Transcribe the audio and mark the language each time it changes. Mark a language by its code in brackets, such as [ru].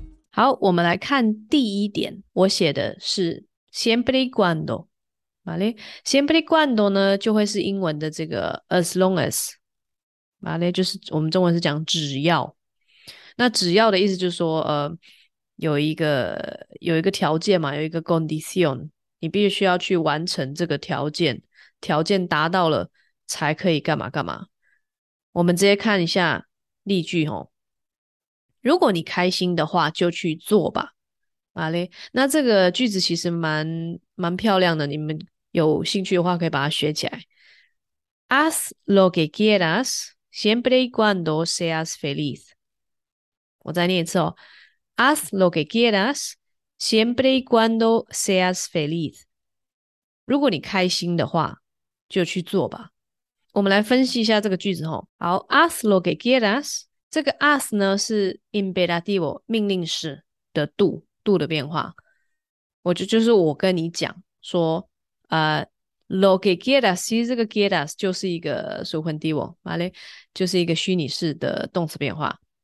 [zh] 好，我们来看第一点，我写的是 [es] siempre y cuando， [zh] 马嘞，siempre y cuando 呢，就会是英文的这个 [en] as long as， [zh] 马嘞，就是我们中文是讲只要，那只要的意思就是说，有一个条件嘛，有一个 condition，你必须要去完成这个条件达到了才可以干嘛干嘛。我们直接看一下例句哦。如果你开心的话，就去做吧。好嘞，那这个句子其实蛮漂亮的，你们有兴趣的话可以把它学起来。 [es] Haz lo que quieras, siempre y cuando seas feliz。 [zh] 我再念一次哦。 [es] Haz lo que quieras, siempre y cuando seas feliz。 [zh] 如果你开心的话，就去做吧。我们来分析一下这个句子哦。好， [es] Haz lo que quieras。 [zh] 这个 as 呢是 imperativo 命令式的度的变化，就是我跟你讲说， [es] lo que quieras [zh] 其实这个 quieras 就是一个 subjuntivo，好嘞，就是一个虚拟式的动词变化。